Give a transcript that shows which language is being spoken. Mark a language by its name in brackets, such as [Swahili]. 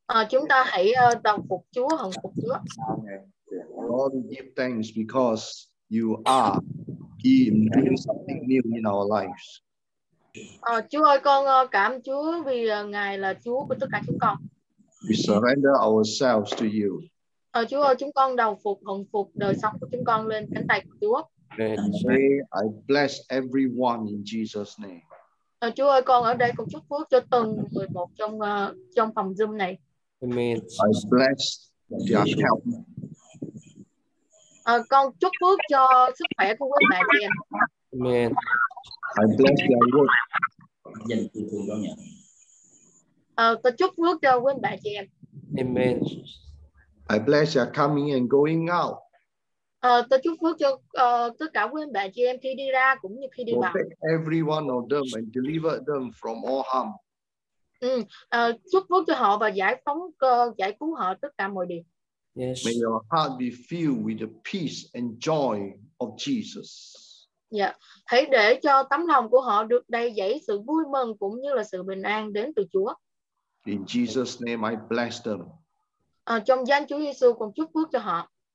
[Vietnamese] Chúng ta hãy đồng phục Chúa, hồng phục Chúa. [English] Lord, we give thanks because you are giving doing something new in our lives. [Vietnamese] Chúa ơi, con cảm Chúa vì Ngài là Chúa của tất cả chúng con. [English] We surrender ourselves to you. [Vietnamese] Chúa ơi, chúng con đầu phục, hồng phục đời sống của chúng con lên cánh tay của Chúa. [English] Today, I bless everyone in Jesus' name. [Vietnamese] Chúa ơi, con ở đây con chúc phước cho từng người một trong trong phòng Zoom này. [English] Amen. I bless their help. [Vietnamese] Con chúc phước cho sức khỏe của quý bạn kia. [English] Amen. I bless your work. [Vietnamese] Tôi chúc phước cho quý bạn chị em. [English] Amen. I bless your coming and going out. [Vietnamese] Tôi chúc phước cho tất cả quý bạn chị em khi đi ra cũng như khi đi vào. [English] Protect every one of them and deliver them from all harm. [Vietnamese] Chúc phước cho họ và giải phóng cơ, giải cứu họ tất cả mọi điều. [English] Yes. May your heart be filled with the peace and joy of Jesus. Yeah. [Vietnamese] Hãy để cho tấm lòng của họ được đầy dẫy sự vui mừng cũng như là sự bình an đến từ Chúa. [English] In Jesus' name I bless them. [Vietnamese] Trong danh Chúa Giêsu con chúc phước cho họ.